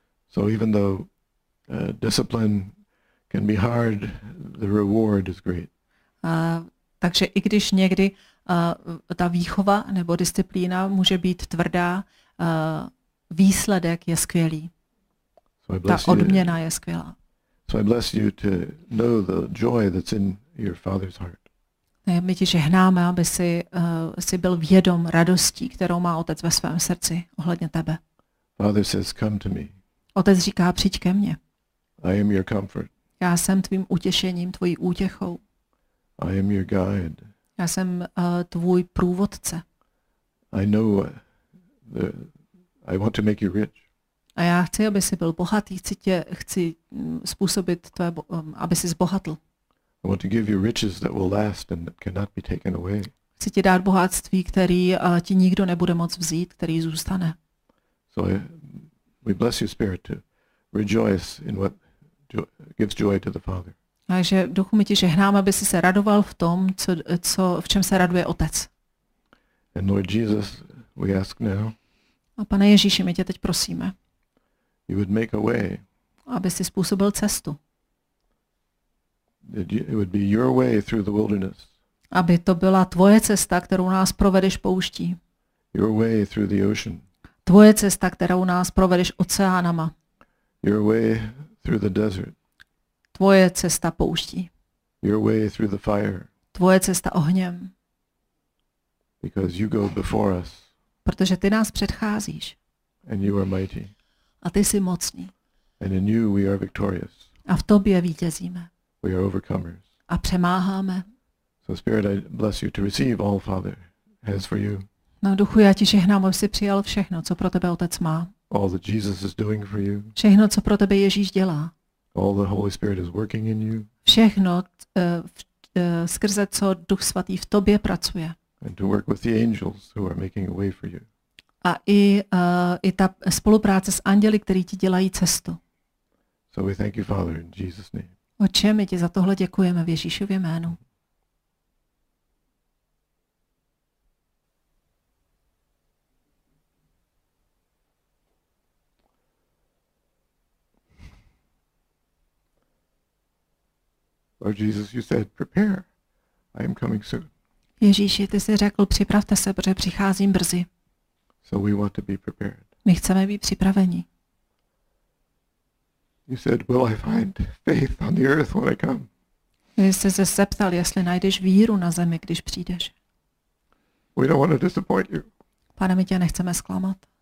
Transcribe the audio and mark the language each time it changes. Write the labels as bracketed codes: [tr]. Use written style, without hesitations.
[en] So even though discipline can be hard, the reward is great. [cs] Takže i když někdy ta výchova nebo disciplína může být tvrdá, výsledek je skvělý. Ta odměna je skvělá. [en] So I bless you to know the joy that's in your father's heart. [cs] My ti žehnáme, aby si si byl vědom radostí, kterou má otec ve svém srdci ohledně tebe. [en] Father says, come to me. [cs] Otec říká, přijď ke mně. [en] I am your comfort. [cs] Já jsem tvým utěšením, tvojí útěchou. [en] I am your guide. [cs] Já jsem tvůj průvodce. [en] I know I want to make you rich. [cs] A já chci, aby jsi byl bohatý, chci způsobit tvé, aby jsi zbohatl. [en] I want to give you riches that will last and that cannot be taken away. [cs] Chci ti dát bohatství, který ti nikdo nebude moc vzít, který zůstane. [en] So we bless you, Spirit, to rejoice in what gives joy to the Father. [cs] Takže Duchu, my ti žehnám, aby jsi se radoval v tom, co v čem se raduje Otec. [en] And Lord Jesus, we ask now. [cs] A Pane Ježíši, my tě teď prosíme. [en] You would make a way. [cs] Aby jsi způsobil cestu. [en] It would be your way through the wilderness. [cs] Aby to byla tvoje cesta, kterou nás provedeš pouští. [en] Your way through the ocean. [cs] Tvoje cesta, kterou nás provedeš oceánama. [en] Your way through the desert. [cs] Tvoje cesta pouští. [en] Your way through the fire. [cs] Tvoje cesta ohněm. [en] Because you go before us. [cs] Protože ty nás předcházíš. [en] And you are mighty. [cs] A ty jsi mocný. [en] And in you we are victorious. [cs] A v tobě vítězíme. [en] We are overcomers. [cs] A přemáháme. [en] So Spirit, I bless you to receive all Father has for you. [cs] No, Duchu, já ti žehnám, aby jsi přijal všechno, co pro tebe Otec má. [en] All that Jesus is doing for you. [cs] Všechno, co pro tebe Ježíš dělá. [en] All the Holy Spirit is working in you. [cs] Všechno, skrze co Duch Svatý v tobě pracuje. [en] And to work with the angels who are making a way for you. [cs] A i ta spolupráce s anděli, který ti dělají cestu. [en] So we thank you, Father, in Jesus' name. [cs] Otče, my ti za tohle děkujeme v Ježíšově jménu. [en] Lord Jesus, you said, prepare. I am coming soon. [cs] Ježíši, ty jsi řekl, připravte se, protože přicházím brzy. [en] So we want to be prepared. [cs] My chceme být připraveni. [en] You said, will I find faith on the earth when I come? [cs] Ty jsi se zeptal, jestli najdeš víru na zemi, když přijdeš. [en] We don't want to disappoint you. [cs] Pane, my tě nechceme zklamat.